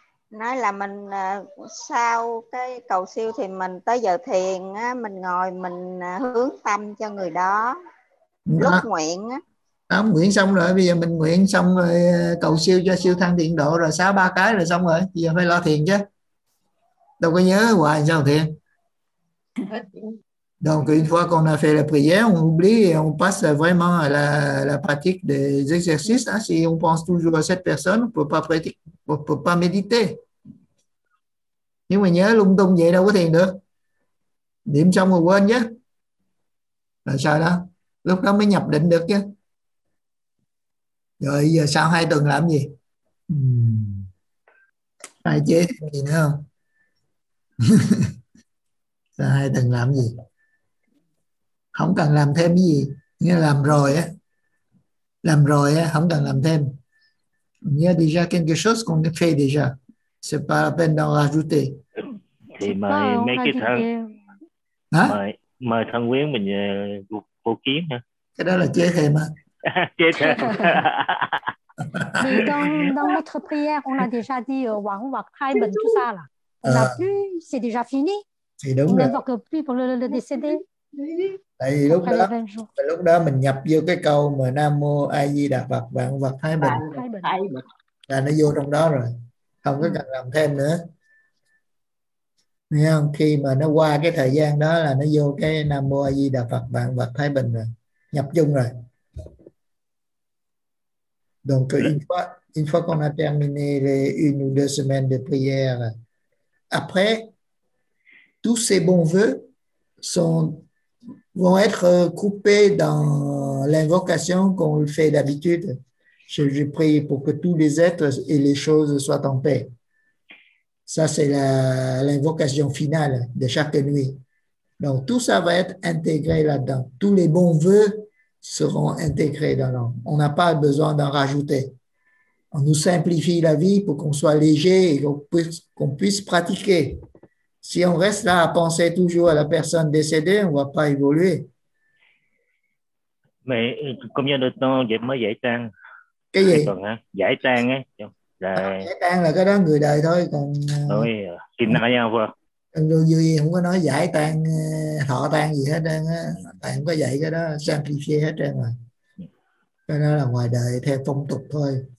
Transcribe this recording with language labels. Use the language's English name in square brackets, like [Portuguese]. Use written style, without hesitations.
[Vietnamese] Nói là mình sau cái cầu siêu thì mình tới giờ thiền á, mình ngồi mình hướng tâm cho người đó lúc nguyện á. Không, nguyện xong rồi, bây giờ mình nguyện xong rồi cầu siêu cho siêu thăng thiện độ rồi 6-3 cái rồi xong rồi, bây giờ phải lo thiền chứ. Đâu có nhớ hoài sao thiền. [French] Donc, une fois qu'on a fait la prière, on oublie et on passe vraiment à la pratique des exercices. Hein. Si on pense toujours à cette personne, on ne peut pas pratiquer, on peut pas méditer. [Vietnamese] Nhưng mà nhớ lung tung vậy đâu có thiền được. Niệm xong rồi quên chứ. Là sao đó? Lúc đó mới nhập định được chứ. Rồi giờ sau 2 tuần làm gì? Tài chế gì nữa không? Sau 2 tuần làm gì? Không cần làm thêm cái gì. Nghĩa làm rồi á. Làm rồi á, không cần làm thêm. [French] Il y a déjà quelque chose qu'on fait déjà. C'est pas la peine d'en rajouter. [Vietnamese] Thì mời mấy cái thằng mời thằng Nguyễn mình vô kiến hả? Cái đó là chế thêm mà. Chế thêm. [French] dans notre prière, on a déjà dit au revoir, [Vietnamese] hai bệnh [French] tout ça là. On a plus, c'est déjà fini. [Vietnamese] Thì đúng rồi. [French] On n'invoque plus pour le décédé. [Vietnamese] Tại vì lúc đó mình nhập vô cái câu mà Nam Mô A Di Đà Phật vạn vật thái bình là nó vô trong đó rồi, không có cần làm thêm nữa, nghe không? Khi mà nó qua cái thời gian đó là nó vô cái Nam Mô A Di Đà Phật vạn vật thái bình rồi, nhập chung rồi. [French] Donc une fois qu'on a terminé les 1 ou 2 semaines de prière, après tous ces bons vœux vont être coupés dans l'invocation qu'on fait d'habitude. Je prie pour que tous les êtres et les choses soient en paix. Ça, c'est l'invocation finale de chaque nuit. Donc, tout ça va être intégré là-dedans. Tous les bons vœux seront intégrés dans l'homme. On n'a pas besoin d'en rajouter. On nous simplifie la vie pour qu'on soit léger et qu'on puisse pratiquer. Si on reste là à penser toujours à la personne décédée, on ne va pas évoluer. Mais combien de temps on [Vietnamese] mới giải tang? Cái gì? Giải tang á. Giải tang là cái đó người đời thôi. Còn thôi, xin nói nhau vừa. Anh Lưu Duy không có nói giải tang, họ tang gì hết. Đang á. Tại không có dạy cái đó, simplify hết trơn rồi. Cái đó là ngoài đời theo phong tục thôi.